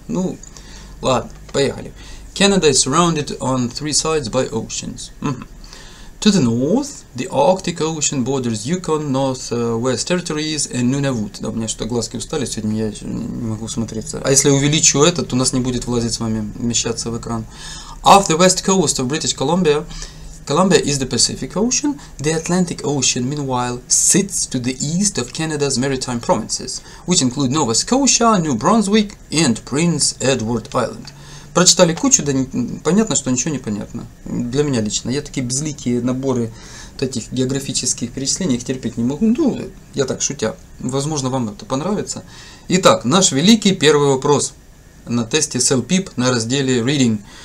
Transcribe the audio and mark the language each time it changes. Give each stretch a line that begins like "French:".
Russian: Ну, ладно, поехали.
English: Canada is surrounded on three sides by oceans. To the north, the Arctic Ocean borders Yukon, Northwest Territories and Nunavut.
Russian: Да, у меня что-то глазки устали сегодня, я не могу смотреться. А если увеличу этот, то у нас не будет влазить с вами, вмещаться в экран.
English: Off the west coast of British Columbia, Columbia is the Pacific Ocean. The Atlantic Ocean, meanwhile, sits to the east of Canada's maritime provinces, which include Nova Scotia, New Brunswick and Prince Edward Island.
Russian: Прочитали кучу, да понятно, что ничего не понятно. Для меня лично. Я такие безликие наборы вот этих географических перечислений их терпеть не могу. Ну, я так шутя. Возможно, вам это понравится. Итак, наш великий первый вопрос на тесте CLPIP на разделе Reading.